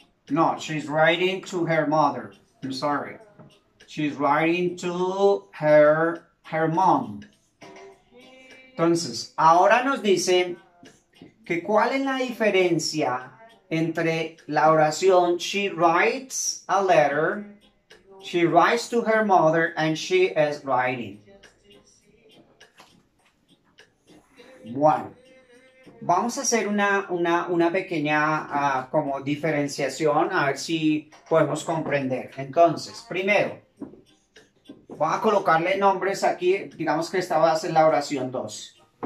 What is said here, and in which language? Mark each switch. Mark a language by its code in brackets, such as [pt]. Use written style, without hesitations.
[en] No, she's writing to her mother. I'm sorry. She's writing to her mom. [es] Entonces, ahora nos dicen que cuál es la diferencia Entre la oración, [en] she writes a letter. She writes to her mother and she is writing. [es] Bueno, vamos a hacer una pequeña como diferenciación a ver si podemos comprender. Entonces, primero, voy a colocarle nombres aquí. Digamos que esta va a ser la oración 2.